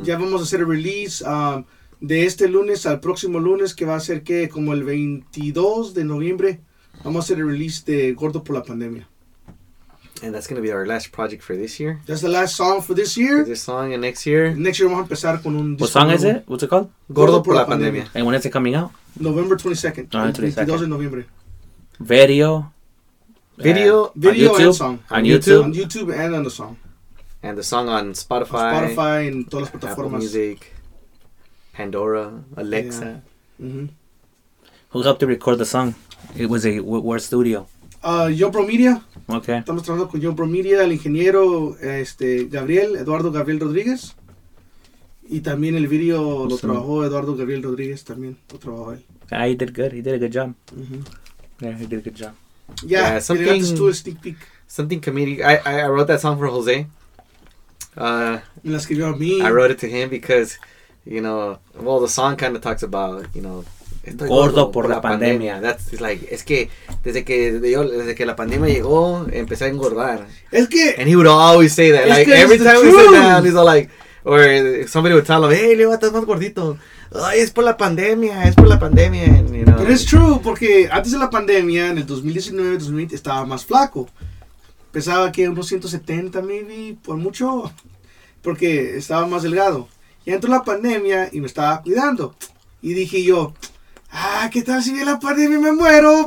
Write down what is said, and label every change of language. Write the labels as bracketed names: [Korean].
[Spanish] Ya vamos a hacer a release de este lunes al próximo lunes, que va a ser que como el 22 de noviembre, vamos a hacer el release de Gordo por la Pandemia. [English] And that's going to be our last project for this year. That's the last song for this year. For this song and next year. Next year, [Spanish] vamos a empezar con un [English] disco. What song is it? What's it called? [Spanish] Gordo por la pandemia. [English] And when is it coming out? November 22nd. November 22nd. [Spanish] 22 de noviembre. [English] Video and song. On YouTube. On YouTube and on the song. And the song on Spotify. [Spanish] Spotify and todas las plataformas. [English] Apple Music. Pandora, Alexa. Yeah. Mm-hmm. Who helped to record the song? It was a what studio? Yobro Media. Okay. [Spanish] Estamos trabajando con Yobro Media, el ingeniero Eduardo Gabriel Rodríguez. Y también el video lo trabajó Eduardo Gabriel Rodríguez también. Lo trabajó él. [English] He did good. He did a good job. Mm-hmm. Yeah, he did a good job. Yeah, something. Got this to a sneak peek. Something comedic. I wrote that song for Jose. [Spanish] Me la escribió a mí. [English] I wrote it to him because, you know, well, the song kind of talks about, you know, [Spanish] gordo por la pandemia. [English] That's like, [Spanish] es que desde que la pandemia llegó, empecé a engordar. Es que, [English] and he would always say that. Like, every time we sit down, he's all like, or somebody would tell him, hey, Leo, [Spanish] estás más gordito. Ay, es por la pandemia. [English] And, you know, but it's true, [Spanish] porque antes de la pandemia, en el 2019, 2020, estaba más flaco. Pesaba que unos 170, maybe, por mucho, porque estaba más delgado. Y entró la pandemia y me estaba cuidando. Y dije yo, ¿qué tal si viene la pandemia y me muero?